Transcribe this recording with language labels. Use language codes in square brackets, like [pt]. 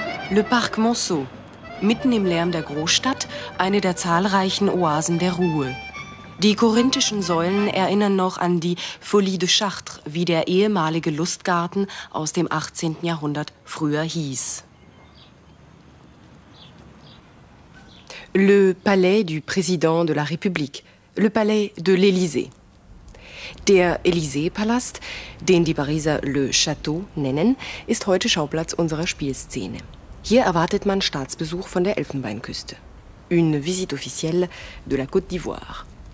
[de] Le Parc Monceau, mitten im Lärm der Großstadt, eine der zahlreichen Oasen der Ruhe. Die korinthischen Säulen erinnern noch an die Folie de Chartres, wie der ehemalige Lustgarten aus dem 18. Jahrhundert früher hieß. [fr] Le Palais du Président de la République, le Palais de l'Élysée. [de] Der Élysée-Palast, den die Pariser Le Château nennen, ist heute Schauplatz unserer Spielszene. Hier erwartet man Staatsbesuch von der Elfenbeinküste. [fr] Une visite officielle de la Côte d'Ivoire.